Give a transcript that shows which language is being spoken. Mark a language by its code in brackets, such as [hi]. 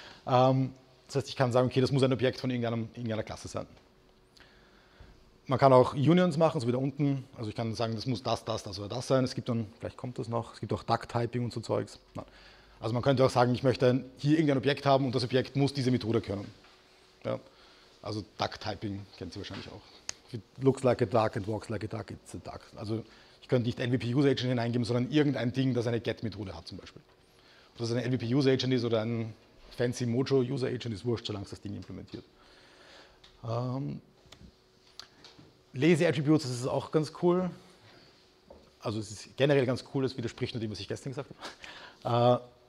[de] Das heißt, ich kann sagen, okay, das muss ein Objekt von irgendeiner Klasse sein. Man kann auch Unions machen, so wie da unten. Also ich kann sagen, das muss das, das, das oder das sein. Es gibt dann, vielleicht kommt das noch, es gibt auch Duck-Typing und so Zeugs. Nein. Also man könnte auch sagen, ich möchte hier irgendein Objekt haben und das Objekt muss diese Methode können. Ja. Also Duck-Typing kennt Sie wahrscheinlich auch. [en] If it looks like a duck and walks like a duck, it's a duck. [de] Also ich könnte nicht NVP-User-Agent hineingeben, sondern irgendein Ding, das eine Get-Methode hat zum Beispiel. Ob das ein NVP-User-Agent ist oder ein fancy Mojo-User-Agent, ist wurscht, solange es das Ding implementiert. Lazy-Attributes, das ist auch ganz cool. Also es ist generell ganz cool, das widerspricht nur dem, was ich gestern gesagt habe.